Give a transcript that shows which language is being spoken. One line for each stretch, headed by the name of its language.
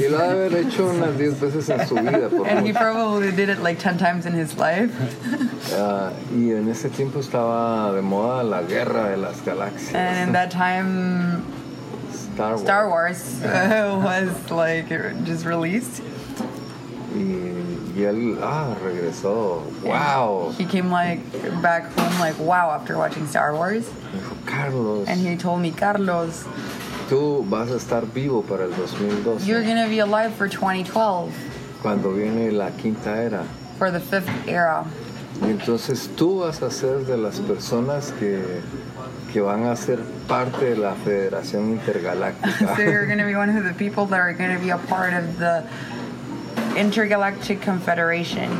Spanish: Y lo había hecho unas 10 veces en su vida.
English: And he probably did it like 10 times in his life.
Spanish: Y en ese tiempo estaba de moda la guerra de las galaxias.
English: And in that time, Star Wars was like just released.
Spanish: Y él, regresó. Wow.
English: He came like back home like wow after watching Star Wars.
Spanish: Carlos.
English: And he told me, Carlos,
Spanish: tú vas a estar vivo para el 2012.
English: You're gonna be alive for 2012.
Spanish: Cuando viene la quinta era.
English: For the fifth era.
Spanish: Y entonces tú vas a ser de las personas que van a ser parte de la Federación Intergaláctica.
English: So you're gonna be one of the people that are gonna be a part of the Intergalactic Confederation.